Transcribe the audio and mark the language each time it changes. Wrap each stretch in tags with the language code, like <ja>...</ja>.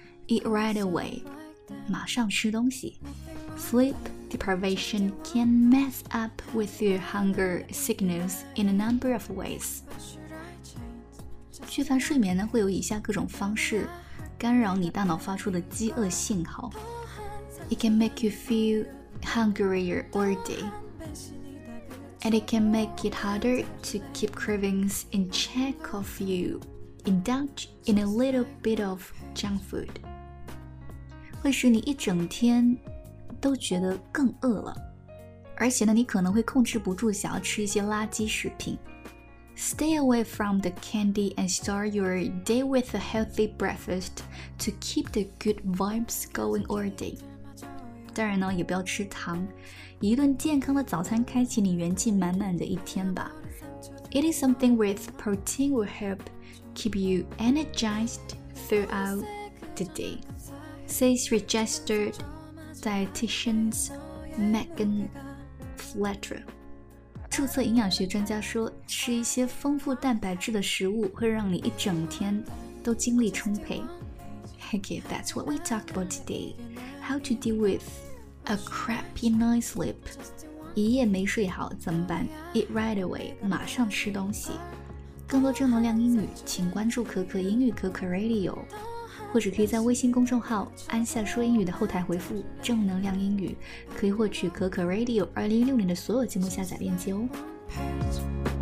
<en>Eat right away，</en> <zh>马上吃东西。</zh> <en>Sleep deprivation can mess up with your hunger signals in a number of ways。</en> <zh>缺乏睡眠呢，会有以下各种方式干扰你大脑发出的饥饿信号。</zh> <en>It can make you feel hungrier all day, and it can make it harder to keep cravings in check of you indulge in a little bit of junk food.</en> <zh>会使你一整天都觉得更饿了，而且呢，你可能会控制不住想要吃一些垃圾食品。</zh> <en>Stay away from the candy and start your day with a healthy breakfast to keep the good vibes going all day.</en> <zh>当然呢，也不要吃糖，以一顿健康的早餐开启你元气满满的一天吧。</zh> <en>Eating something with protein will help keep you energized throughout the day, says registered dietitian Megan Fletcher.</en> <zh>注册营养学专家说，吃一些丰富蛋白质的食物会让你一整天都精力充沛。</zh> <en>Okay, that's what we talk about today. How to deal with a crappy night's sleep.</en> <zh>一夜没睡好怎么办？</zh> <en>Eat right away,</en> <zh>马上吃东西。更多正能量英语，请关注可可英语可可 Radio， 或者可以在微信公众号安夏说英语的后台回复正能量英语，可以获取可可 Radio 2016年的所有节目下载链接哦。</zh>